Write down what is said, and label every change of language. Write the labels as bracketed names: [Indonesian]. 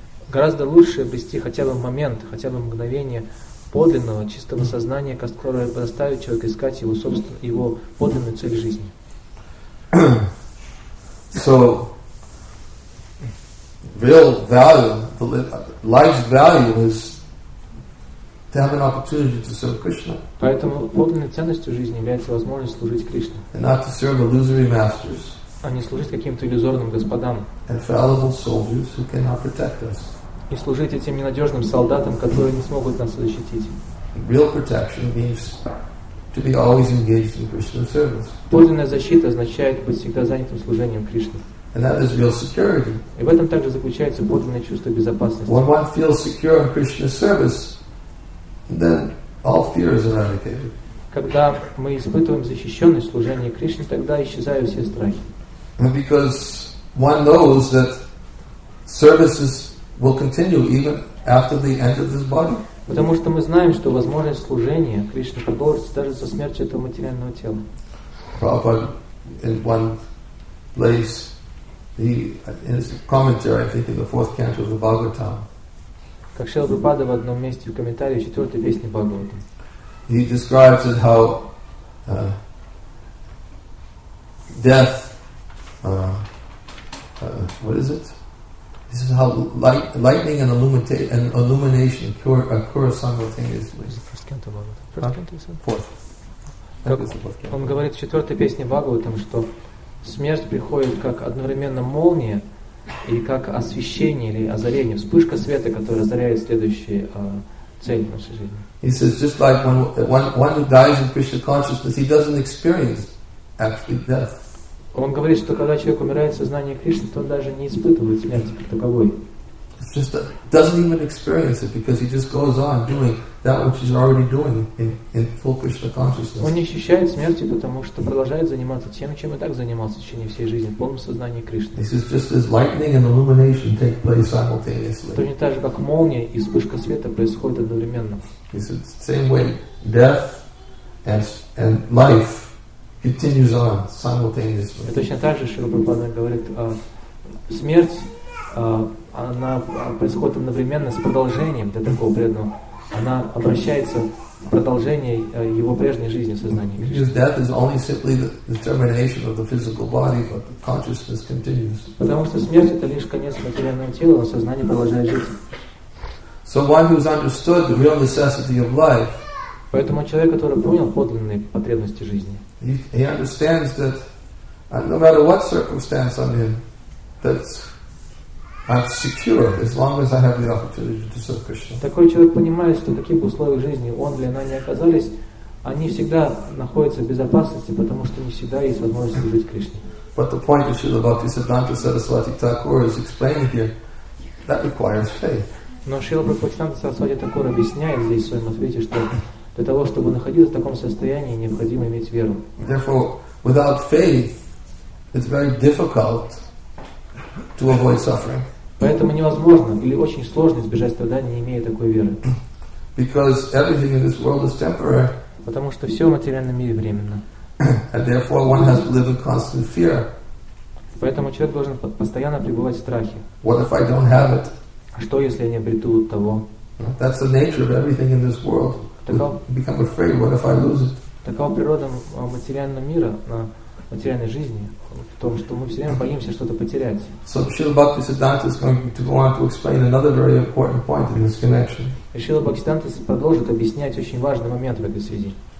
[Russian] Гораздо лучше обрести хотя бы момент, хотя бы мгновение подлинного, чистого сознания, которое заставит человека искать его собственную, его подлинную цель жизни. [English] So, real value, the life's value is to have an opportunity to serve Krishna. [Russian] Поэтому подлинной ценностью жизни является возможность служить Кришне. [English] And not to serve illusory masters. [Russian] А не служить каким-то иллюзорным господам. [English] And fallible soldiers who cannot protect us. [Russian] И служить этим ненадежным солдатам, которые не смогут нас защитить. [English] Real protection means to be always engaged in Krishna service. [Russian] Подлинная защита означает быть всегда занятым служением Кришне. [English] And that is real security. [Russian] И в этом также заключается подлинное чувство безопасности. [English] When one feels secure in Krishna's service, then all fear is eradicated. [Russian] Когда мы испытываем защищенность служения Кришне, тогда исчезают все страхи. [English] Because one knows that services will continue even after the end of this body. [Russian] Потому что мы знаем, что возможность служения Кришне продолжится даже со смертью этого материального тела. [English] Prabhupada in one place, in his commentary, I think in the fourth canto of the Bhagavatam. [Russian] Как Шрила Прабхупада в одном месте в комментарии четвертой песни Бхагавата. [English] He describes it how death what is it? He says how lightning and illumination occur simultaneously. Is it first canto Bhagavata? Fourth. [Russian] Он говорит в четвертой песне Бхагаватам, что смерть приходит как одновременно молния и как освещение или озарение, вспышка света, которая озаряет следующую цель в нашей жизни. [English] He says, just like one who dies in Krishna consciousness, he doesn't experience actually death. [Russian] Он говорит, что когда человек умирает в сознании Кришны, то он даже не испытывает смерти как таковой. [English] It's just doesn't even experience it because he just goes on doing that which he's already doing in full Krishna consciousness. [Russian] Он не ощущает смерти, потому что продолжает заниматься тем, чем и так занимался в течение всей жизни, в полном сознании Кришны. [English] This is just as lightning and illumination take place simultaneously. [Russian] То не так же, как молния и вспышка света происходят одновременно. [English] It's the same way death and life continues on simultaneously. [Russian] Точно так же Шрила Прабхупада говорит о смерти. Она происходит одновременно с продолжением для такого преданного. Она обращается в продолжение его прежней жизни в сознании. [English] Death is only simply the termination of the physical body, but the consciousness continues. [Russian] Потому что смерть это лишь конец материального тела, но сознание продолжает жить. [English] So one who has understood the real necessity of life. [Russian] Поэтому человек, который понял подлинные потребности жизни. [English] He understands that no matter what circumstance I'm in, that I'm secure as long as I have the opportunity to serve Krishna. [Russian] Такой человек понимает, что в таких условиях жизни он или она не оказались, они всегда находятся в безопасности, потому что не всегда есть возможность служить Кришне. [English] But the point of Srila Bhaktisiddhanta Saraswati Thakur is explaining here that requires faith. [Russian] Но Шрила Бхактисиддханта Сарасвати Такур объясняет здесь в своем ответе, что для того, чтобы находиться в таком состоянии, необходимо иметь веру. [English] Therefore, without faith, it's very difficult to avoid suffering. [Russian] Поэтому невозможно или очень сложно избежать страданий, не имея такой веры. [English] Because everything in this world is temporary. [Russian] Потому что все в материальном мире временно. [English] And therefore one has to live in constant fear. [Russian] Поэтому человек должен постоянно пребывать в страхе. [English] What if I don't have it? [Russian] Что если я не обрету того? [English] That's the nature of everything in this world. Become afraid. What if I lose it? [Russian] Такова природа материального мира, на материальной жизни. В том, что мы все время боимся что-то потерять. [English] So Srila Bhaktisiddhanta is going to go on to explain another very important point in this connection. [Russian] Шрила Бхактисиддханта продолжит объяснять очень важный момент в этой связи.